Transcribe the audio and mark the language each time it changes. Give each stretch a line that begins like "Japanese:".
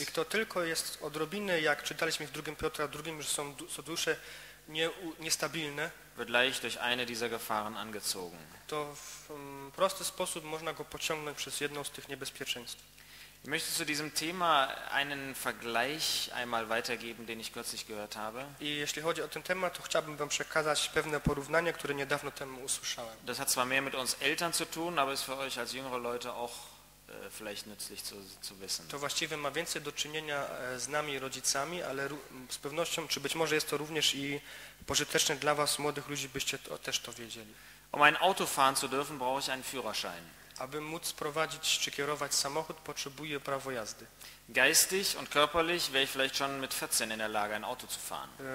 Polish: i kto tylko jest odrobinę, jak czytaliśmy w 2. Piotra, drugim, że są dusze niestabilne,
German: wird leicht durch eine dieser Gefahren angezogen.
Polish: To w prosty sposób można go pociągnąć przez jedną z tych niebezpieczeństw.
German: Ich möchte zu diesem Thema einen Vergleich einmal weitergeben, den ich kürzlich gehört habe.
Polish: I jeśli chodzi o ten temat, to chciałbym wam przekazać pewne porównanie, które niedawno temu usłyszałem.
German: Das hat zwar mehr mit uns Eltern zu tun, aber ist für euch als jüngere Leute auch vielleicht nützlich zu wissen.
Polish: To właściwie ma więcej do czynienia z nami rodzicami, ale z pewnością, czy być może jest to również i pożyteczne dla was młodych ludzi, byście to, też to wiedzieli.
German: Um ein Auto fahren zu dürfen, brauche ich einen Führerschein.
Polish: Aby móc prowadzić czy kierować samochód, potrzebuję prawo jazdy.
German: Geistig und körperlich wäre ich vielleicht schon mit 14 in der Lage, ein Auto zu fahren.